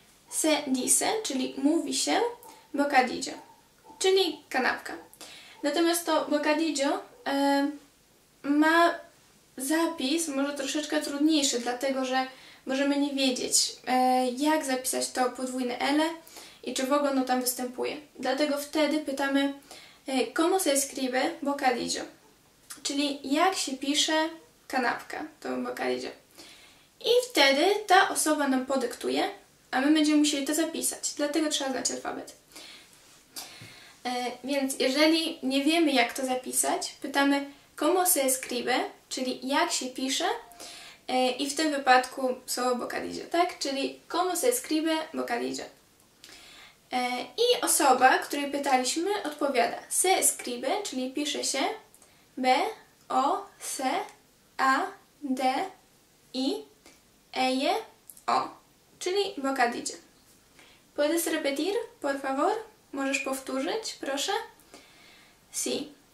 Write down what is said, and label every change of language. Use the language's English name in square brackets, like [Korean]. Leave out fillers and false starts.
[Spanish] Se dice, [Polish] czyli mówi się, bocadillo, czyli kanapka. Natomiast to bocadillo ma zapis może troszeczkę trudniejszy, dlatego że możemy nie wiedzieć, jak zapisać to podwójne L i czy w ogóle ono tam występuje. Dlatego wtedy pytamy, [Spanish] ¿cómo se escribe bocadillo? [Polish] Czyli jak się pisze kanapka, to bocadillo. I wtedy ta osoba nam podyktuje, a my będziemy musieli to zapisać. Dlatego trzeba znać alfabet. Więc jeżeli nie wiemy, jak to zapisać, pytamy [Spanish] ¿cómo se escribe?, [Polish] czyli jak się pisze, i w tym wypadku słowo bocadillo, tak? [Spanish] Czyli ¿cómo se escribe bocadillo? [Polish] I osoba, której pytaliśmy, odpowiada [Spanish] se escribe, [Polish] czyli pisze się B, O, C, A, D, I, Eje, O, czyli bocadillo. [Spanish] Puedes repetir, por favor? [Polish] Możesz powtórzyć, proszę? [Spanish] Si.